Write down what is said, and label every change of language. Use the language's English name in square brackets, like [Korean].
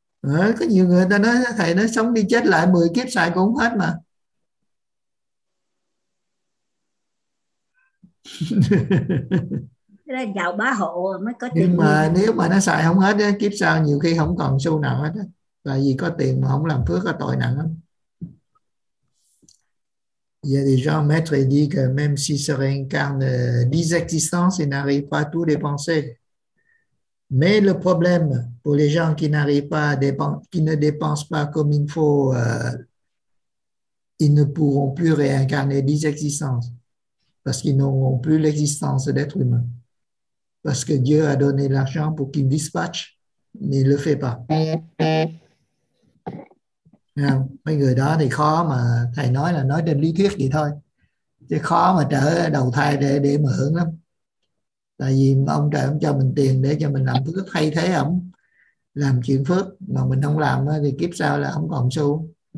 [Vietnamese] À, có nhiều người ta nói thầy nói sống đi chết lại 10 kiếp xài cũng hết mà. Đó là giàu bá hộ mới có tiền. Nhưng mà nếu mà nó xài không hết kiếp sau nhiều khi không còn xu nào hết. Tại vì có tiền mà không làm phước có tội nặng lắm. [French] Il y a des gens, maître, il dit que même s'il se réincarne 10 existences, il n'arrive pas à tout dépenser. Mais le problème pour les gens qui n'arrivent pas à dépenser, qui ne dépensent pas comme il faut, ils ne pourront plus réincarner 10 existences parce qu'ils n'auront plus l'existence d'être humain. Parce que Dieu a donné l'argent pour qu'il dispatche, mais il ne le fait pas. [Vietnamese] Mấy người đó thì khó mà thầy nói là nói trên lý thuyết vậy thôi chứ khó mà trở đầu thai để mà hưởng lắm, tại vì ông trời ông cho mình tiền để cho mình làm phước thay thế ổng làm chuyện phước, mà mình không làm thì kiếp sau là không còn xu.